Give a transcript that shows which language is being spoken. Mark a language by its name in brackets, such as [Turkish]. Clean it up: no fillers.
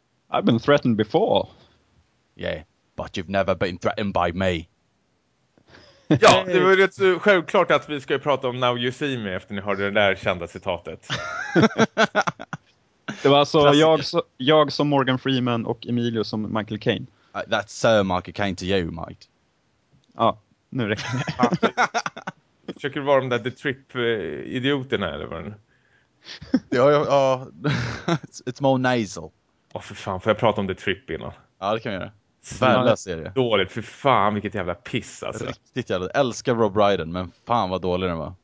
[English] I've been threatened before. Yeah, but you've never been threatened by me. [Swedish] Ja, det var ju så självklart att vi ska ju prata om Now You See Me efter ni hörde det där kända citatet. Det var alltså jag som Morgan Freeman och Emilio som Michael Caine. [English] That's Sir Michael Caine to you, mate. [Swedish] Ja, nu räcker det. Försöker du vara de där The Trip-idioterna eller vad? [English] Ja. It's more nasal. [Swedish] Åh, oh, för fan. Får jag prata om The Trip innan? Ja, det kan vi göra. Svärda serie. Dåligt. För fan, vilket jävla piss alltså. Riktigt jävla. Älskar Rob Brydon, men fan vad dålig den var.